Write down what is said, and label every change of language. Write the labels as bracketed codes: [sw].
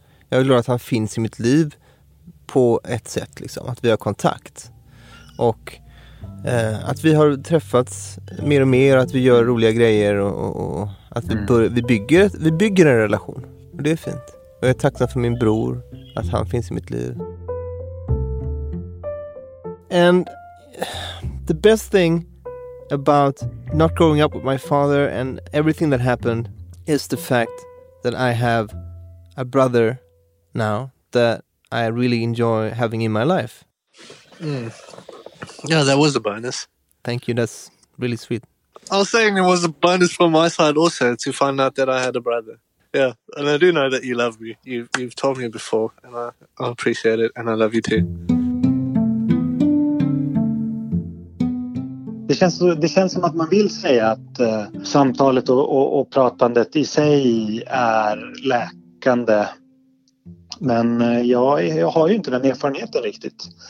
[sv] Jag är glad att han finns i mitt liv på ett sätt, liksom. Att vi har kontakt. Och att vi har träffats mer och mer, att vi gör roliga grejer och att vi bygger en relation. Och det är fint. Och jag är tacksam för min bror, att han finns i mitt liv. [en] And the best thing about not growing up with my father and everything that happened is the fact that I have a brother now that I really enjoy having in my life. Mm. Yeah, that was a bonus. Thank you, that's really sweet. I was saying it was a bonus from my side also to find out that I had a brother. Yeah, and I do know that you love me. You've told me before, and I appreciate it, and I love you too. [sv] Det känns som att man vill säga att samtalet och pratandet i sig är läkande. Men jag har ju inte den erfarenheten riktigt.